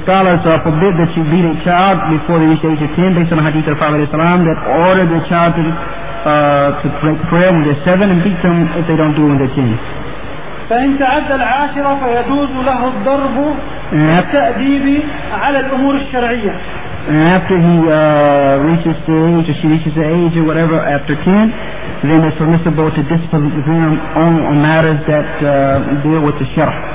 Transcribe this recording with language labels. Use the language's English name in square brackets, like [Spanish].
[English] scholars forbid that you beat a child before the age of 10, based on the hadith of the Prophet that ordered the child to break prayer when they're 7 and beat them if they don't do when they're 10. [Arabic] فإن تعدى العاشرة فيجوز له الضرب والتأديب على الأمور الشرعية. [English] And after he reaches the age, or she reaches the age, or whatever, after 10, then it's permissible to discipline them on matters that deal with the sharh.